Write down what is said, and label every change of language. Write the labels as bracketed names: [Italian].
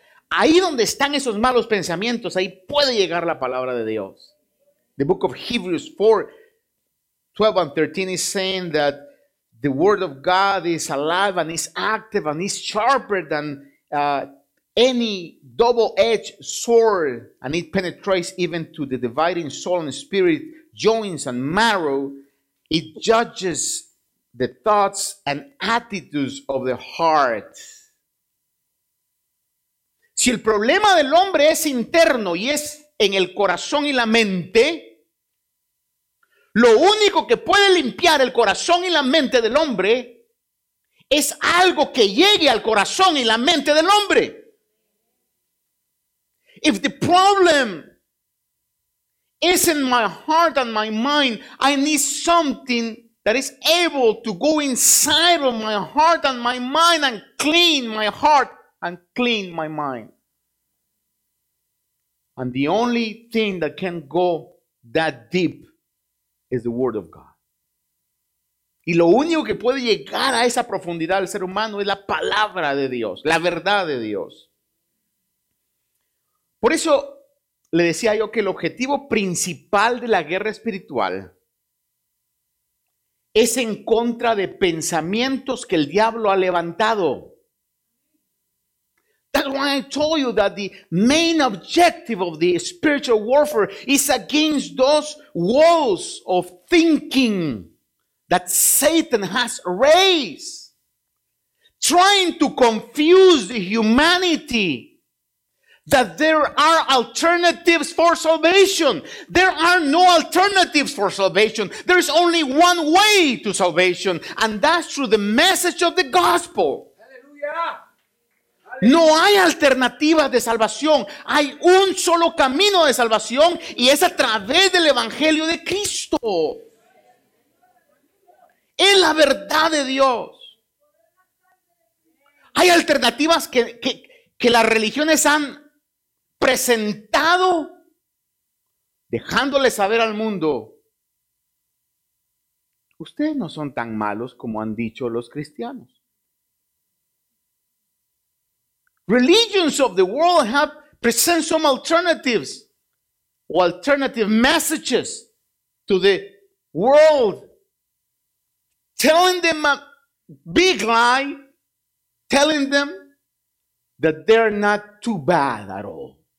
[Spanish] Ahí donde están esos malos pensamientos, ahí puede llegar la palabra de Dios. [English] The book of Hebrews 4:12 and 13 is saying that the word of God is alive and is active and is sharper than any double-edged sword, and it penetrates even to the dividing soul and spirit, joints and marrow. It judges the thoughts and attitudes of the heart. [Spanish] Si el problema del hombre es interno y es en el corazón y la mente, lo único que puede limpiar el corazón y la mente del hombre es algo que llegue al corazón y la mente del hombre. [English] If the problem is in my heart and my mind, I need something that is able to go inside of my heart and my mind and clean my heart and clean my mind. And the only thing that can go that deep is the Word of God. [Spanish] Y lo único que puede llegar a esa profundidad del ser humano es la palabra de Dios, la verdad de Dios. Por eso le decía yo que el objetivo principal de la guerra espiritual es en contra de pensamientos que el diablo ha levantado. [English] That's why I told you that the main objective of the spiritual warfare is against those walls of thinking that Satan has raised, trying to confuse the humanity that there are alternatives for salvation. There are no alternatives for salvation. There is only one way to salvation, and that's through the message of the gospel. Hallelujah. [Spanish] No hay alternativas de salvación. Hay un solo camino de salvación y es a través del Evangelio de Cristo. Es la verdad de Dios. Hay alternativas que las religiones han presentado, dejándole saber al mundo: ustedes no son tan malos como han dicho los cristianos. [English] Religions of the world have present some alternatives or alternative messages to the world, telling them a big lie, telling them that they're not too bad at all.